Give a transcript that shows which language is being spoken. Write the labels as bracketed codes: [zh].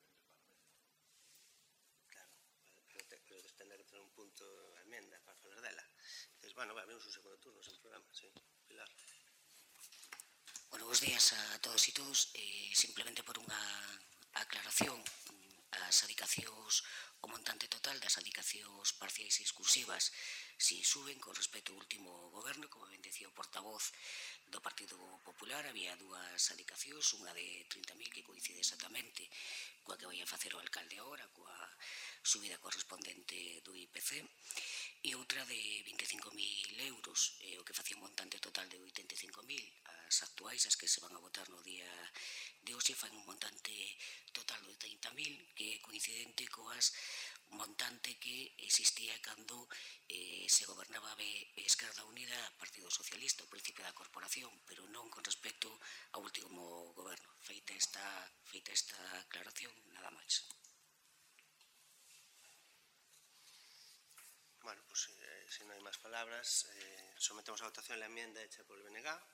[es] enmienda. Claro, pero tendrá que tener un punto de enmienda para hablar de ella. Entonces, bueno, vemos un segundo turno en el programa, ¿sí? Pilar. Bueno, buenos días a todos y todos. Simplemente por una aclaración... [gl] as adicacións, o montante total das adicacións parciais e exclusivas, si suben con respecto ao último goberno. Como ben decía o portavoz do Partido Popular, había dúas adicacións, unha de 30.000 que coincide exactamente coa que vai a facer o alcalde agora, coa subida correspondente do IPC, e outra de 25.000 euros, o que facía un montante total de 85.000, as actuais, as que se van a votar no día de hoxe, fan un montante total de 30.000, que é coincidente coas montante que existía cando se gobernaba Esquerda Unida, Partido Socialista, o principio da corporación, pero non con respecto ao último goberno. Feita esta aclaración, nada máis. [es] Bueno, pues si no hay más palabras, sometemos a votación la enmienda hecha por el BNG.